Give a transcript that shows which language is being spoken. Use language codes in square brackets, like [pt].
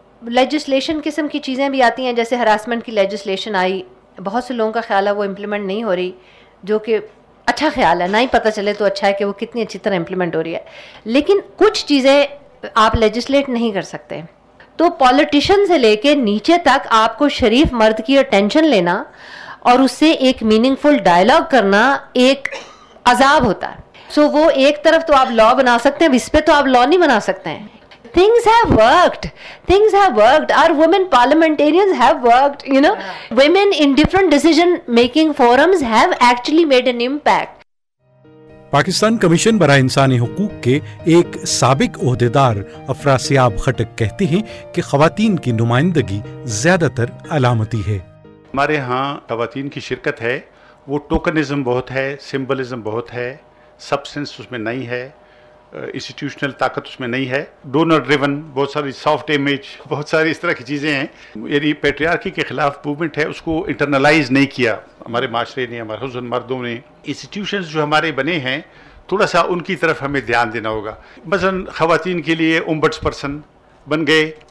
[ur] Legislation قسم کی چیزیں بھی آتی ہیں، جیسے ہراسمنٹ کی لیجسلیشن آئی، بہت سے لوگوں کا خیال ہے وہ امپلیمنٹ نہیں ہو رہی، جو کہ اچھا خیال ہے، نہ ہی پتہ چلے تو اچھا ہے کہ وہ کتنی اچھی طرح امپلیمنٹ ہو رہی ہے، لیکن کچھ چیزیں آپ لیجسلیٹ نہیں کر سکتے۔ تو پالیٹیشن سے لے کے نیچے تک آپ کو شریف مرد کی اٹینشن لینا اور اس سے ایک میننگ فل ڈائلاگ کرنا ایک عذاب ہوتا ہے۔ سو وہ ایک طرف تو آپ لا بنا سکتے ہیں، اس پہ تو آپ لا نہیں بنا سکتے ہیں۔ [en] Things have worked. Our women parliamentarians have worked. You know, women in different decision-making forums have actually made an impact. [ur] Pakistan commission برائے انسانی حقوق کے ایک سابق عہدیدار افراسیاب خٹک کہتے ہیں کہ خواتین کی نمائندگی زیادہ تر علامتی ہے۔ ہمارے ہاں خواتین کی شرکت ہے، وہ ٹوکنزم بہت ہے، سمبلزم بہت ہے، سبسٹنس اس میں نہیں ہے، انسٹیٹیوشنل طاقت اس میں نہیں ہے، ڈونر ڈریون، بہت ساری سافٹ امیج، بہت ساری اس طرح کی چیزیں ہیں۔ یعنی پیٹریارکی کے خلاف موومنٹ ہے، اس کو انٹرنلائز نہیں کیا ہمارے معاشرے نے، ہمارے حسن مردوں نے۔ انسٹیٹیوشنز جو ہمارے بنے ہیں، تھوڑا سا ان کی طرف ہمیں دھیان دینا ہوگا۔ مثلا خواتین کے لیے امبٹس پرسن بن گئے،